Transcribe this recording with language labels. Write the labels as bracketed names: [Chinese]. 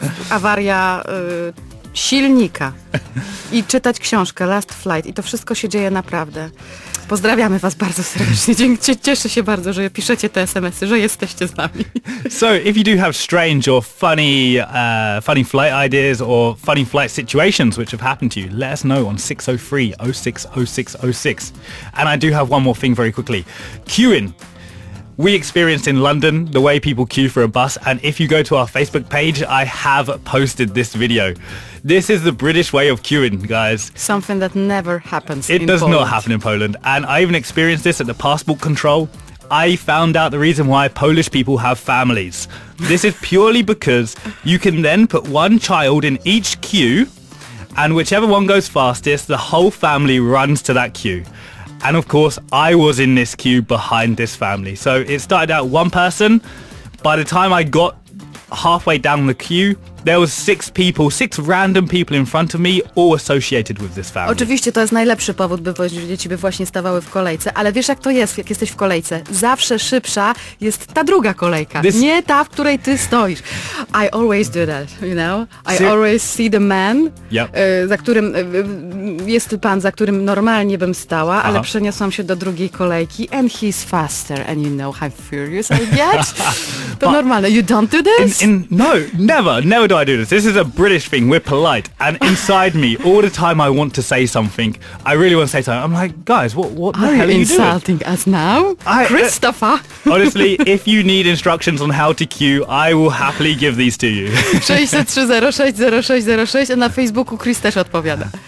[Polish] Awaria silnika i czytać książkę Last Flight i to wszystko się dzieje naprawdę. Pozdrawiamy was bardzo serdecznie. Cieszę się bardzo, że piszecie te SMS-y, że jesteście z nami. [English] So, if you do have strange or funny funny flight ideas or funny flight situations which have happened to you, let us know on 603-060606. And I do have one more thing very quickly. Queuing. We experienced in London the way people queue for a bus, and if you go to our Facebook page, I have posted this video. This is the British way of queuing, guys. Something that never happens in Poland. It does not happen in Poland. And I even experienced this at the passport control. I found out the reason why Polish people have families. This is purely because you can then put one child in each queue, and whichever one goes fastest, the whole family runs to that queue. And of course, I was in this queue behind this family. So it started out one person. By the time I got halfway down the queue, there was six random people in front of me, all associated with this family. [Polish] Oczywiście to jest najlepszy powód, by dzieci by właśnie stawały w kolejce, ale wiesz jak to jest, jak jesteś w kolejce. Zawsze szybsza jest ta druga kolejka, nie ta, w której ty stoisz. [English] I always do that, you know? Always see the man, [Polish] za którym jest pan, za którym normalnie bym stała, ale przeniosłam się do drugiej kolejki [English] and he's faster and you know how furious I get. [Polish] To normalne. [English] You don't do this? Never do I do this. This is a British thing. We're polite. And inside me, all the time I want to say something. I really want to say something. I'm like, guys, what the hell are you doing? Are you insulting us now? Christopher? Honestly, if you need instructions on how to queue, I will happily give these to you. [Polish] 603-060606 and na Facebooku Chris też odpowiada.